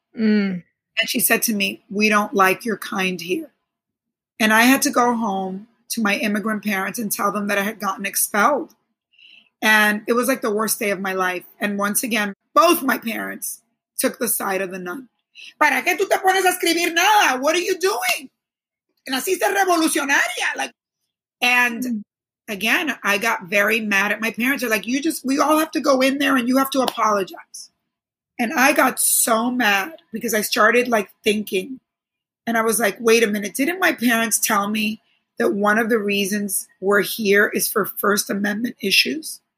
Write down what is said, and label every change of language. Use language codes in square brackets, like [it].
[en] And she said to me, we don't like your kind here. And I had to go home to my immigrant parents and tell them that I had gotten expelled. And it was like the worst day of my life. And once again, both my parents took the side of the nun. [es] ¿Para qué tú te pones a escribir nada? [en] What are you doing? [es] Naciste revolucionaria. [en] Like, and again, I got very mad at my parents. They're like, you just, we all have to go in there and you have to apologize. And I got so mad because I started like thinking and I was like, wait a minute. Didn't my parents tell me that one of the reasons we're here is for First Amendment issues?